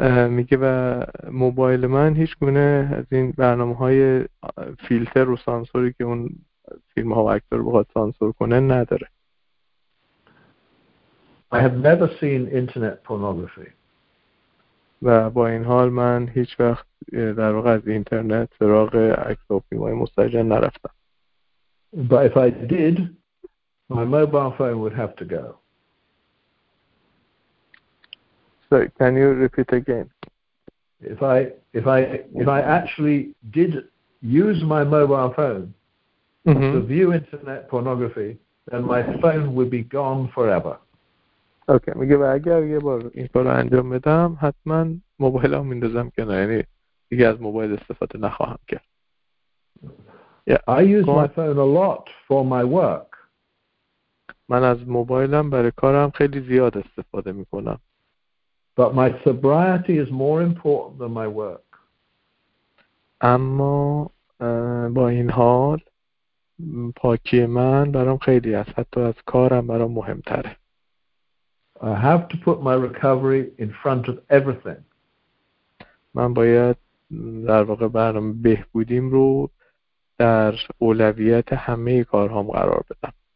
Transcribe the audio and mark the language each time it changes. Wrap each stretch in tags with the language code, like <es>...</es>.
<fa>میگه و موبایل من هیچ گونه از این برنامه‌های فیلتر و سانسوری که اون فیلم ها و اکتر بخواد سانسور کنه نداره.</fa> <en>I have never seen internet pornography.</en> <fa>و با این حال من هیچ وقت در واقع از اینترنت سراغ اکتر و فیلم‌های مستجن نرفتم.</fa> <en>But if I did, my mobile phone would have to go. So can you repeat again? If I actually did use my mobile phone mm-hmm. to view internet pornography, then my phone would be gone forever. Okay.</en> <fa>میگه و اگر یه بار این کار انجام بدم حتما موبایلم میندازم کنار، یعنی دیگه از موبایل استفاده نخواهم کرد.</fa> <en>I use my phone a lot for my work.</en> <fa>من از موبایلم برای کارم خیلی زیاد استفاده میکنم.</fa> <en>But my sobriety is more important than my work.</en> <fa>اما با این حال پاکی من برام خیلی است، حتی از کارم برام مهمتره.</fa> <en>I have to put my recovery in front of everything.</en> <fa>من باید در واقع برنامه بهبودیم رو در اولویت همه کارهام قرار بدم.</fa>